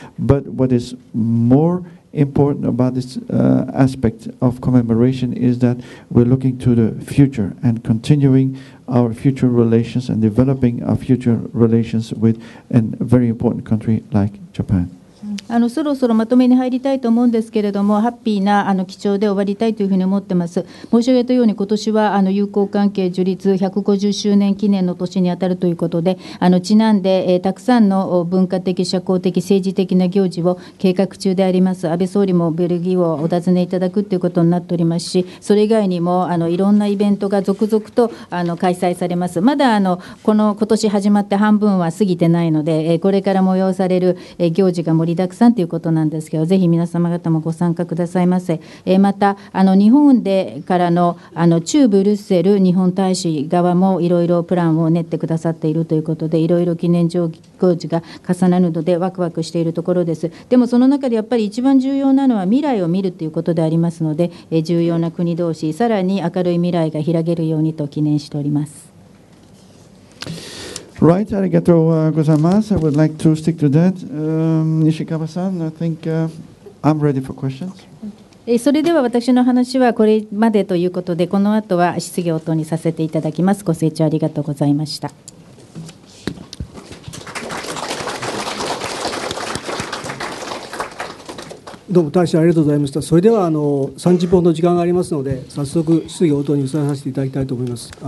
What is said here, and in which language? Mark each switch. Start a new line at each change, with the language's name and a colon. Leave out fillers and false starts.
English: But what is more important about this aspect of commemoration is that we're looking to the future and continuing our future relations and developing our future relations with a very important country like Japan.
Japanese: そろそろまとめに入りたいと思うんですけれども、ハッピーな基調で終わりたいというふうに思ってます。申し上げたように、今年は友好関係樹立150周年記念の年にあたるということで、ちなんで、たくさんの文化的、社交的、政治的な行事を計画中であります。安倍総理もベルギーをお尋ねいただくということになっておりますし、それ以外にもいろんなイベントが続々と開催されます。まだこの今年始まって半分は過ぎてないので、これから催される行事が盛りたくさんということなんですけど、ぜひ皆様方もご参加くださいませ。また日本でから の中ブルッセル日本大使側もいろいろプランを練ってくださっているということで、いろいろ記念行事が重なるのでワクワクしているところです。でもその中でやっぱり一番重要なのは未来を見るということでありますので、重要な国同士さらに明るい未来が開けるようにと記念しております。
English: Right,
Japanese: arigato gozaimasu.
English: I would like to stick to that. Nishikawa-san, I think I'm ready for questions.
Japanese: それでは私の話はこれまでということで、この後は質疑応答にさせていただきます。ご清聴ありがとうございました。どうも大使ありがとうございました。それでは30分の時間がありますので、早速質疑応答に移らさせていただきたいと思います。